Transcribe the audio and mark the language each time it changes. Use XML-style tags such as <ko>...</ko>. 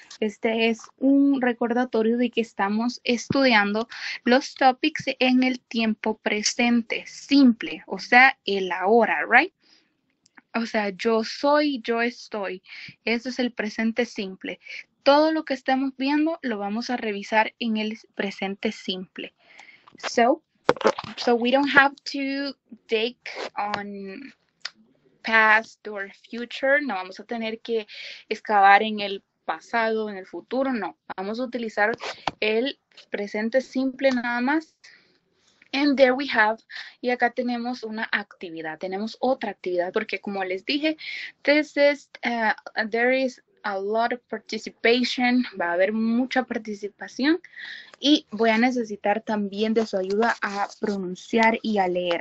<es>Este es un recordatorio de que estamos estudiando los topics en el tiempo presente, simple, o sea, el ahora, right? O sea, yo soy, yo estoy. Eso es el presente simple. Todo lo que estamos viendo lo vamos a revisar en el presente simple.</es> <en>So we don't have to dig on past or future.</en> <es>No vamos a tener que excavar en el pasado, en el futuro. No, vamos a utilizar el presente simple nada más.</es> <en>And there we have,</en> <es>y acá tenemos una actividad, tenemos otra actividad, porque como les dije,</es> <en>this is, there is a lot of participation,</en> <es>va a haber mucha participación, y voy a necesitar también de su ayuda a pronunciar y a leer.</es>